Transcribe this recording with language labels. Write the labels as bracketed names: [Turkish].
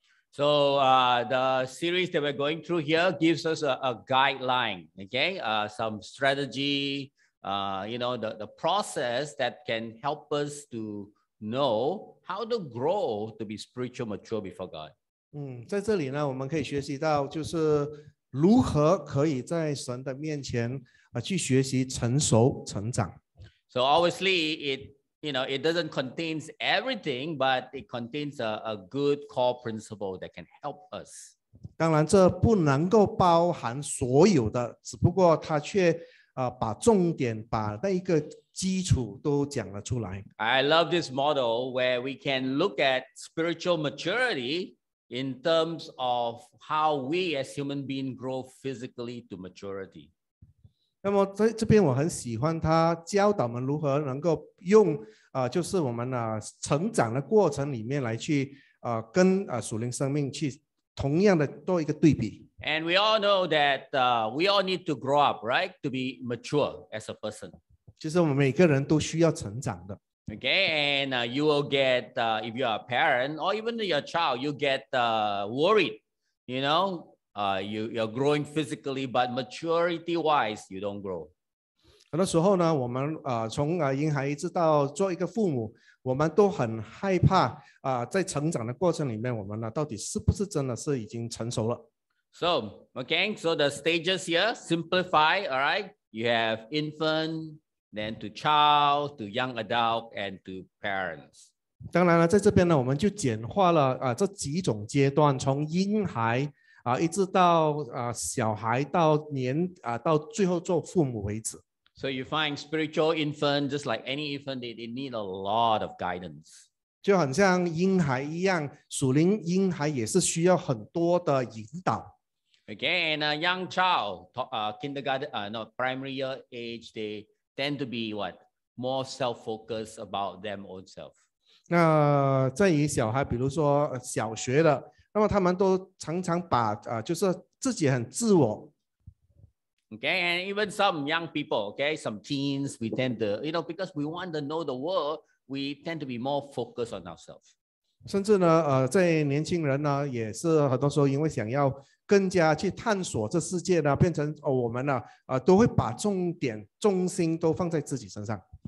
[English] So, the series that we're going through here gives us a guideline, okay? Some strategy,you know, the process that can help us to know how to grow to be spiritual mature before God. [Chinese] 在这里呢，我们可以学习到就是如何可以在神的面前去学习成熟成长。 [English] So obviously, it, you know, it doesn't contain everything, but it contains a good core principle that can help us. [Chinese] 当然这不能够包含所有的，只不过它却把重点把那一个基础都讲了出来。 [English] I love this model where we can look at spiritual maturity in terms of how we as human beings grow physically to maturity. [Chinese] 那么在这边我很喜欢他教导我们如何能够用、就是我们、成长的过程里面来去、跟、属灵生命去同样的做一个对比。 [English] And we all know that we all need to grow up, right? To be mature as a person. [Chinese] 就是我们每个人都需要成长的。 [English] Okay, and you will get, if you are a parent, or even your child, you get worried, you know? You're growing physically, but maturity-wise, you don't grow. [Chinese] 很多时候呢，我们、从、婴孩一直到做一个父母，我们都很害怕、在成长的过程里面，我们呢到底是不是真的是已经成熟了。 [English] So, okay, so the stages here, simplify, all right? You have infant, then to child, to young adult, and to parents. [Chinese] 当然了，在这边呢，我们就简化了、这几种阶段，从婴孩、一直到、小孩到年、到最后做父母为止。 [English] So you find spiritual infant, just like any infant, they need a lot of guidance. [Chinese] 就很像婴孩一样，属灵婴孩也是需要很多的引导。 [English] Okay, and a young child, kindergarten, not primary year age, they tend to be what more self-focused about them own self. [Chinese] 那这一小孩，比如说小学的，那么他们都常常把就是自己很自我。 [English] Okay, and even some young people, okay, some teens, we tend to, you know, because we want to know the world, we tend to be more focused on ourselves. [Chinese] 甚至呢，这年轻人呢，也是很多时候因为想要更加去探索这世界呢，变成我们呢，都会把重点重心都放在自己身上。